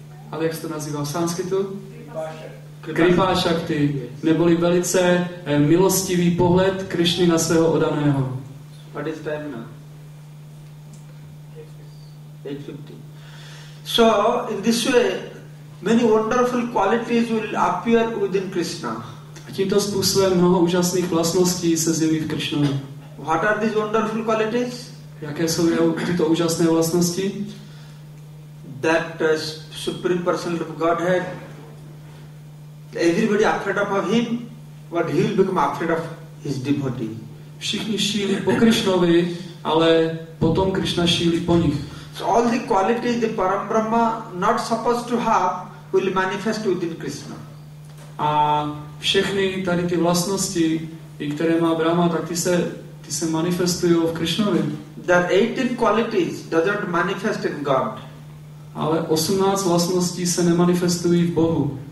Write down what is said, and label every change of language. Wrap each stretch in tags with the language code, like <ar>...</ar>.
<cs>Ale jak se to nazývá v sanskritu? Kripa Shakti, neboli velice milostivý pohled Krišny na svého Odaného.</cs> <en>What is time now? 8:50. So, in this way, many wonderful qualities will appear within Krishna.</en> <cs>A tímto způsobem mnoho úžasných vlastností se zjeví v Krišnovi.</cs> <en>What are these wonderful qualities?</en> <cs>Jaké jsou tyto úžasné vlastnosti?</cs> <en>That Supreme Personality of Godhead, everybody afraid of him, but he will become afraid of his devotee.</en> <cs>Všichni šílí po Krishnovi, ale potom Krishna šílí po nich.</cs> <en>So all the qualities the Param Brahma not supposed to have will manifest within Krishna.</en> <cs>A všechny tady ty vlastnosti, i které má Brahma, tak ty se manifestují v Krishnovi.</cs> <en>That 18 qualities doesn't manifest in God. Ale 18 vlastností se nemanifestují v Bohu.</en>